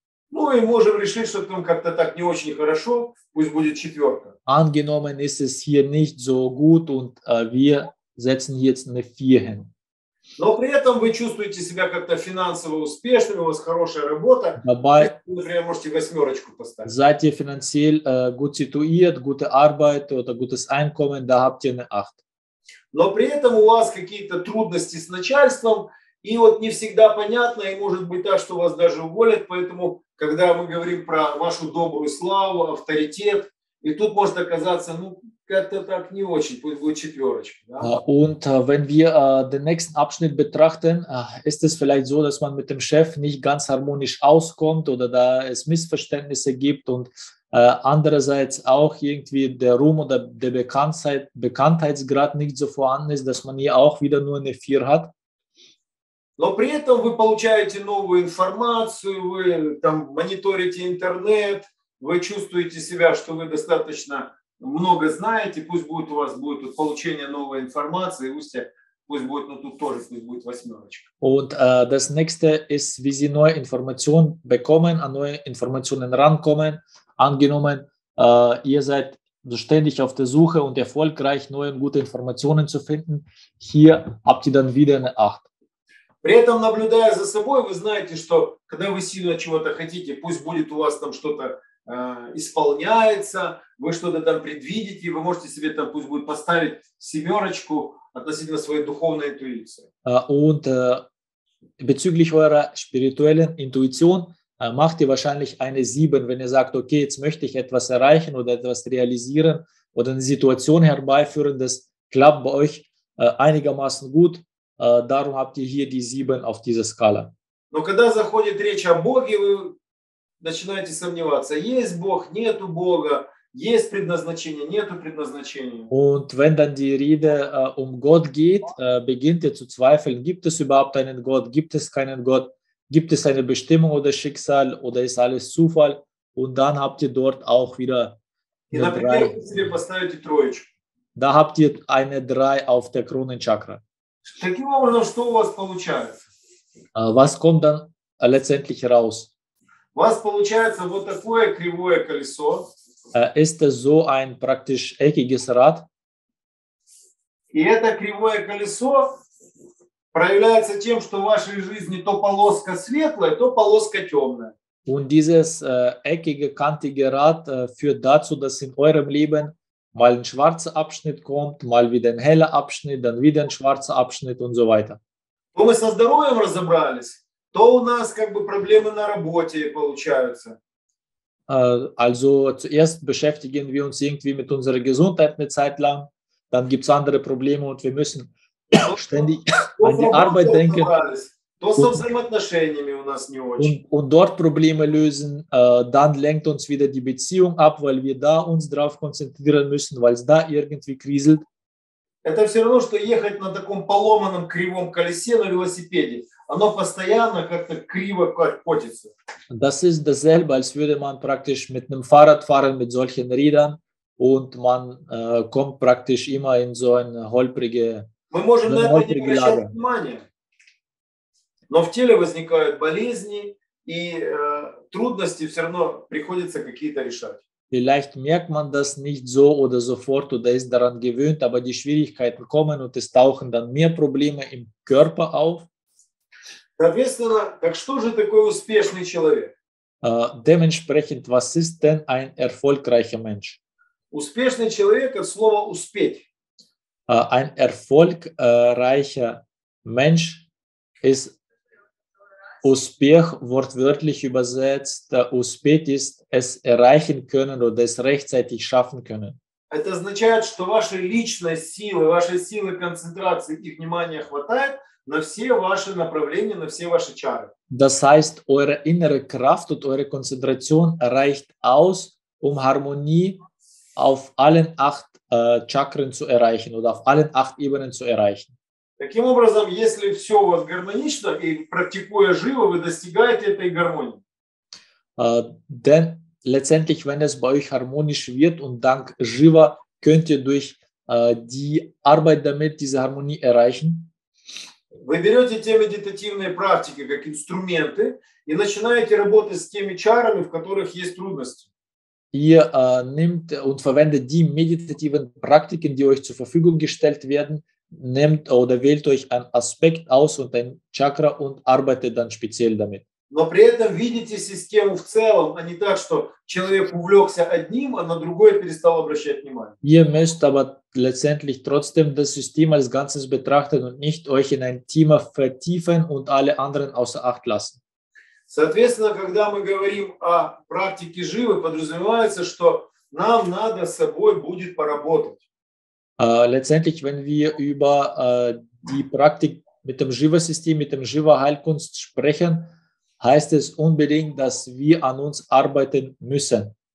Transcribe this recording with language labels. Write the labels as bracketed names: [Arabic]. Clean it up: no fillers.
[Russian] Ну, и можем решить, что там как-то так не очень хорошо, пусть будет четверка. [German] Angenommen ist es hier nicht so gut und wir setzen jetzt eine 4 hin. [Russian] Но при этом вы чувствуете себя как-то финансово успешным, у вас хорошая работа. [German] Dabei, [Russian] например, можете восьмерочку поставить. [German] Seid ihr finanziell gut situiert, gute Arbeit oder gutes Einkommen, da habt ihr eine 8. [Russian] Но при этом у вас какие-то трудности с начальством, и вот не всегда понятно, и может быть так, что вас даже уволят, поэтому, когда мы говорим про вашу добрую славу, авторитет, и тут может оказаться, ну, как-то так не очень, пусть будет четверочка. Да? [German] Und wenn wir den nächsten Abschnitt betrachten, ist es vielleicht so, dass man mit dem Chef nicht ganz harmonisch auskommt oder da es Missverständnisse gibt und andererseits auch irgendwie der Ruhm oder der Bekanntheitsgrad nicht so vorhanden ist, dass man hier auch wieder nur eine 4 hat. [Russian] Но при этом вы получаете новую информацию, вы там мониторите интернет, вы чувствуете себя, что вы достаточно много знаете, пусть будет у вас будет получение новой информации, пусть будет, ну тут тоже пусть будет восьмерочка. [German] Und das nächste ist, wie Sie neue Informationen bekommen, an neue Informationen rankommen. Angenommen, ihr seid ständig auf der Suche und erfolgreich, neue und gute Informationen zu finden. Hier habt ihr dann wieder eine 8. [Russian] При этом, наблюдая за собой, вы знаете, что когда вы сильно чего-то хотите, пусть будет у вас там что-то исполняется, вы что-то там предвидите, вы можете себе там пусть будет поставить семерочку относительно своей духовной интуиции. [German] Und bezüglich eurer spirituellen Intuition macht ihr wahrscheinlich eine 7, wenn ihr sagt, okay, jetzt möchte ich etwas erreichen oder etwas realisieren oder eine Situation herbeiführen, das klappt bei euch einigermaßen gut, darum habt ihr hier die 7 auf dieser Skala. [Russian] Но когда заходит речь о Боге, вы начинаете сомневаться, есть Бог, нету Бога, есть предназначение, нету предназначения. [German] Und wenn dann die Rede um Gott geht, beginnt ihr zu zweifeln, gibt es überhaupt einen Gott, gibt es keinen Gott, gibt es eine Bestimmung oder Schicksal oder ist alles Zufall? Und dann habt ihr dort auch wieder eine 3. [Russian] Например, вы себе поставите троечку. [German] Da habt ihr eine 3 auf der Kronenchakra. [Russian] Таким образом, что у вас получается? [German] Was kommt dann letztendlich raus? [Russian] У вас получается вот такое кривое колесо. [German] Ist es so ein praktisch eckiges Rad? [Russian] И это кривое колесо проявляется тем, что в вашей жизни то полоска светлая, то полоска темная. [German] Und dieses eckige, kantige Rad führt dazu, dass in eurem Leben mal ein schwarzer Abschnitt kommt, mal wieder ein heller Abschnitt, dann wieder ein schwarzer Abschnitt und so weiter. [Russian] То мы со здоровьем разобрались, то у нас как бы проблемы на работе получаются. [German] Also zuerst beschäftigen wir uns irgendwie mit unserer Gesundheit eine Zeit lang, dann gibt es andere Probleme und wir müssen ständig an die Arbeit denken. [Russian] То с взаимоотношениями у нас не очень. [German] Und dort Probleme lösen, dann lenkt uns wieder die Beziehung ab, weil wir da uns drauf konzentrieren müssen, weil es da irgendwie kriselt. [Russian] Это все равно, что ехать на таком поломанном кривом колесе на велосипеде. Оно постоянно как-то криво катится. [German] Das ist dasselbe, als würde man praktisch mit einem Fahrrad fahren, mit solchen Rädern, und man kommt praktisch immer in so ein holprige [Russian] Мы можем на это не обращать внимания, но в теле возникают болезни, и трудности все равно приходится какие-то решать. [German] Vielleicht merkt man das nicht so oder sofort oder ist daran gewöhnt, aber die Schwierigkeiten kommen und es tauchen dann mehr Probleme im Körper auf. [Russian] Соответственно, так что же такой успешный человек? [German] Dementsprechend, was ist denn ein erfolgreicher Mensch? [Russian] Успешный человек – это слово «успеть». [German] Ein erfolgreicher Mensch ist Успех, wortwörtlich übersetzt, успеть ist, es erreichen können oder es rechtzeitig schaffen können. [Russian] Это означает, что ваши личные силы, ваши силы концентрации, их внимания хватает на все ваши направления, на все ваши чары. [German] Das heißt, eure innere Kraft und eure Konzentration reicht aus, um Harmonie auf allen acht Chakren zu erreichen oder auf allen acht Ebenen zu erreichen. [Russian] Таким образом, если все у вас гармонично и практикуя живо, вы достигаете этой гармонии. [German] Denn letztendlich, wenn es bei euch harmonisch wird und dank Jiva, könnt ihr durch die Arbeit damit diese Harmonie erreichen. [Russian] Вы берете те медитативные практики как инструменты и начинаете работать с теми чарами, в которых есть трудности. [German] Ihr nehmt und verwendet die meditativen Praktiken, die euch zur Verfügung gestellt werden, nehmt oder wählt euch einen Aspekt aus und ein Chakra und arbeitet dann speziell damit. [Russian] Но при этом видите систему в целом, а не так, что человек увлекся одним, а на другой перестал обращать внимание. [German] Ihr müsst aber letztendlich trotzdem das System als Ganzes betrachten und nicht euch in ein Thema vertiefen und alle anderen außer Acht lassen. [Russian] Соответственно, когда мы говорим о практике живы, подразумевается, что нам надо с собой будет поработать. [German] Letztendlich, wenn wir über die Praktik mit dem Jiva-System, mit dem Jiva-Heilkunst sprechen, heißt es unbedingt, dass wir an uns arbeiten müssen.